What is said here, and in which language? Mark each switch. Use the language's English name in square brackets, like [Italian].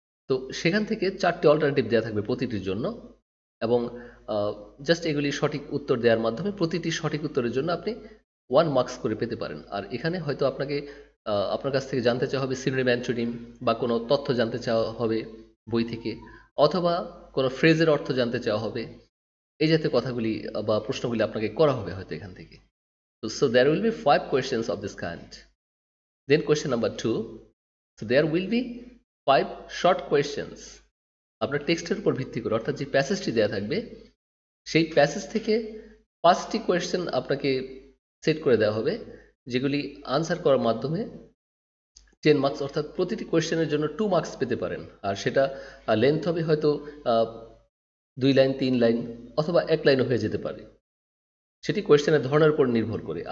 [Bangla] তো সেখান থেকে 4টি অল্টারনেটিভ দেওয়া থাকবে প্রতিটির জন্য এবং জাস্ট এগুলি সঠিক উত্তর দেওয়ার মাধ্যমে প্রতিটি সঠিক উত্তরের জন্য আপনি 1 মার্কস করে পেতে পারেন। আর এখানে হয়তো আপনাকে আপনার কাছ থেকে জানতে চাওয়া হবে সিনোনিম অ্যান্টোনিম বা কোনো তথ্য জানতে চাওয়া হবে বই থেকে, অথবা কোনো ফ্রেজের অর্থ জানতে চাওয়া হবে, এই জাতীয় কথাগুলি বা প্রশ্নগুলি আপনাকে করা হবে হয়তো এখান থেকে। [English] So there will be 5 questions of this kind. Then question number 2. So there will be 5 short questions. [Bangla] আপনার টেক্সটের উপর ভিত্তি করে, অর্থাৎ যে প্যাসেজটি দেওয়া থাকবে সেই প্যাসেজ থেকে 5টি কোয়েশ্চেন আপনাকে সেট করে দেওয়া হবে, যেগুলি আনসার করার মাধ্যমে 10 মার্কস, অর্থাৎ প্রতিটি কোয়েশ্চেনের জন্য 2 মার্কস পেতে পারেন। আর সেটা লেন্থ হবে হয়তো 2 লাইন, 3 লাইন অথবা 1 লাইনও হয়ে যেতে পারে, সেটি কোয়েশ্চেনের ধরনের উপর নির্ভর করে।